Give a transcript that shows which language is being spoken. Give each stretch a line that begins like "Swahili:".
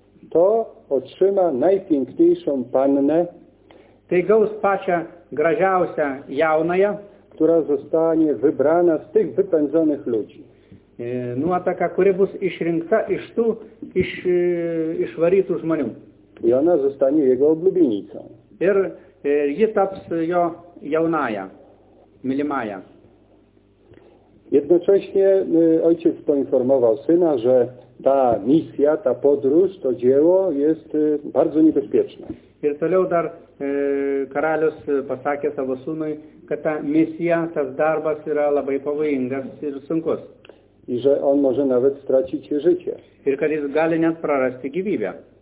Polish: to otrzyma najpiękniejszą pannę,
Lithuanian: tai gaus pačią gražiausią jaunąją,
Polish: która zostanie wybrana z tych wypędzonych ludzi.
Lithuanian: Nuotaka, kuri bus išrinkta iš tų išvarytų žmonių.
Polish: I ona zostanie jego oblubienicą.
Lithuanian: Ir ji taps jo jaunaja, mylimaja.
Polish: Jednocześnie ojciec poinformował syna, że ta misja, ta podróż, to dzieło jest bardzo niebezpieczne.
Lithuanian: Ir toliau dar karalius pasakė savo sūnui, kad ta misja, tas darbas yra labai pavojingas ir sunkus.
Polish: I że on może nawet stracić życie.
Lithuanian: Ir kad jis gali net prarasti gyvybę.